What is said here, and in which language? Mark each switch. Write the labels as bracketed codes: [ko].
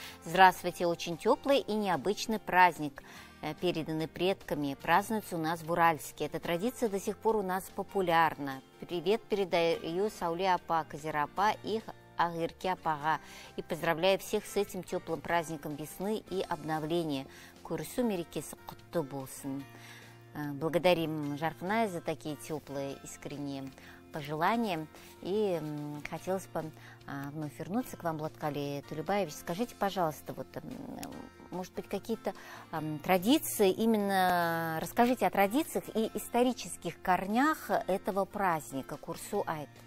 [ru] Здравствуйте, очень теплый и необычный праздник, переданный предками, празднуется у нас в Уральске. Эта традиция до сих пор у нас популярна. Привет передаю Сауле апа, Казира апа и Агырке апага и поздравляю всех с этим теплым праздником весны и обновления. [kk] Курсу мерекесі құтты болсын. [ru] Благодарим Жарканай за такие теплые искренние пожелания. И хотелось бы вновь вернуться к вам, Владкали Тулебаевич. Скажите, пожалуйста, вот, может быть, какие-то традиции, именно расскажите о традициях и исторических корнях этого праздника, Курсу Айт.